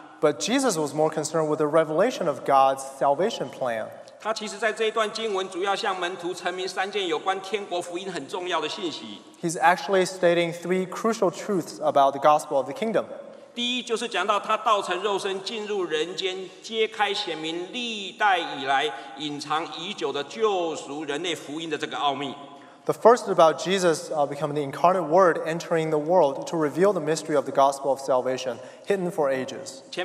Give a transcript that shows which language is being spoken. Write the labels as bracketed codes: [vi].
[en] But Jesus was more concerned with the revelation of God's salvation plan. [zh] 他其实在这一段经文主要向门徒陈明三件有关天国福音很重要的信息。 [en] He's actually stating three crucial truths about the gospel of the kingdom. [zh] 第一就是讲到他道成肉身进入人间，揭开显明历代以来隐藏已久的救赎人类福音的这个奥秘。 [en] The first is about Jesus becoming the incarnate word entering the world to reveal the mystery of the gospel of salvation hidden for ages.